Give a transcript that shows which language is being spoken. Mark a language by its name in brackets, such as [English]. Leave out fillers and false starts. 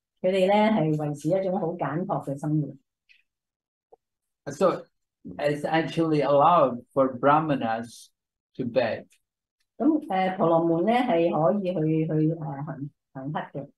[Chinese] 他們呢是維持一種好簡樸的生活。 [English] So it's actually allowed for brahmanas to beg. [Chinese] 婆羅門呢是可以去行乞的。